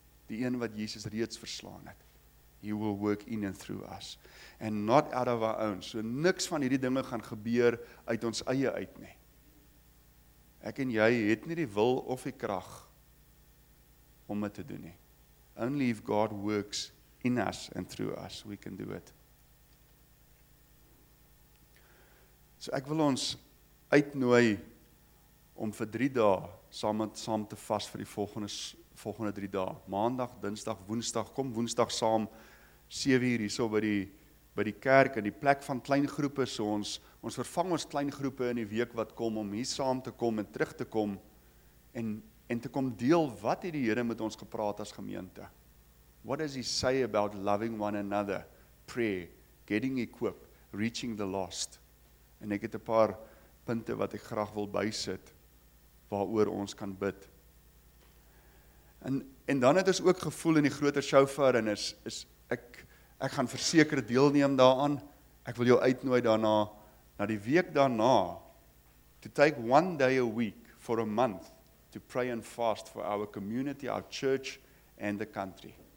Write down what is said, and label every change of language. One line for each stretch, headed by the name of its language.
Afrikaans: Die een wat Jesus reeds verslaan het.
English: He will work in and through us. And not out of our own.
Afrikaans: So niks van hierdie dinge gaan gebeur uit ons eie uit nie. Ek en jy het nie die wil of die krag om dit te doen nie.
English: Only if God works in us and through us, we can do it.
Afrikaans: So ek wil ons uitnooi om vir 3 dae saam te vas vir die volgende 3 dae. Maandag, Dinsdag, Woensdag, kom Woensdag saam 7:00 hierso by die kerk in die plek van kleingroepe, so ons vervang ons kleingroepe in die week wat kom om hier saam te kom en terug te kom en te kom deel wat het die Here met ons gepraat as gemeente.
English: What does he say about loving one another, prayer, getting equipped, reaching the lost?
Afrikaans: En ek het 'n paar punte wat ek graag wil bysit waaroor ons kan bid. En dan het ons ook gevoel in die groter shofar en ek gaan verseker deelneem daaraan. Ek wil jou uitnooi daarna na die week daarna
English: to take one day a week for a month to pray and fast for our community, our church and the country.